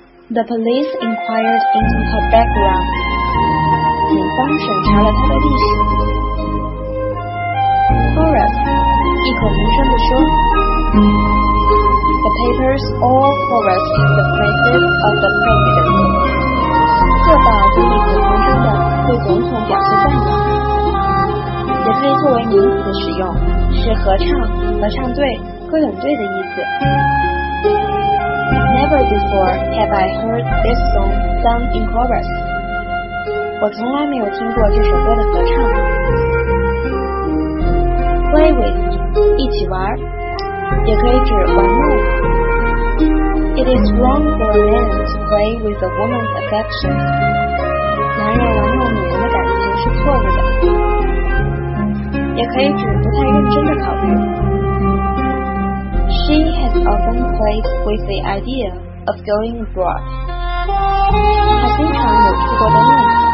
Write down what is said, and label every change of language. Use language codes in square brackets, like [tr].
[en] The police inquired into her background. [zh] 警方审查了她的历史。 Chorus 异口同声地说。 [en] The papers all chorus the praises of the president. [zh] 各报都异口同声的对总统表示赞扬，也可以作为名词使用，是合唱、合唱队、歌咏队的意思。 [en] Never before have I heard this song sung in chorus. [zh] 我从来没有听过这首歌的合唱。 Play with, 一起玩，也可以指玩弄。 [en] It is wrong for a man to play with a woman's affections. [zh] 男人玩弄女人的感情是错误的，也可以指不太认真的考虑。 [en] She has often played with the idea of going abroad. [zh] 她经常有出国的念头。